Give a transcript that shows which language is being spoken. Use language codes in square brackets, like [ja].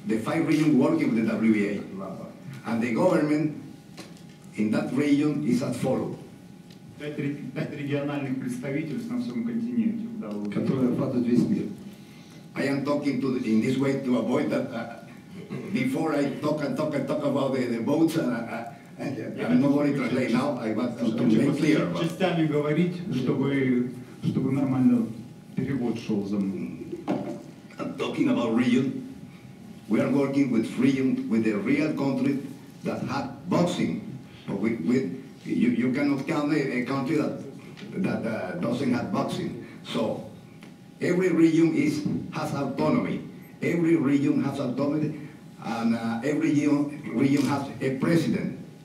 [en] The five regions working with the WBA. And the government in that region is as follows. Five regional representatives on the whole continent. I am talking to in this way to avoid that before I talk about the votes and I'm not going to translate now. I want to make clear. [ru] Частями говорить, чтобы нормально перевод шел за мной. [en] I'm talking about region. We are working with region with a real country that had boxing. But you cannot count a country that doesn't have boxing. So. Every region has autonomy. Every region has autonomy, and every region has a president.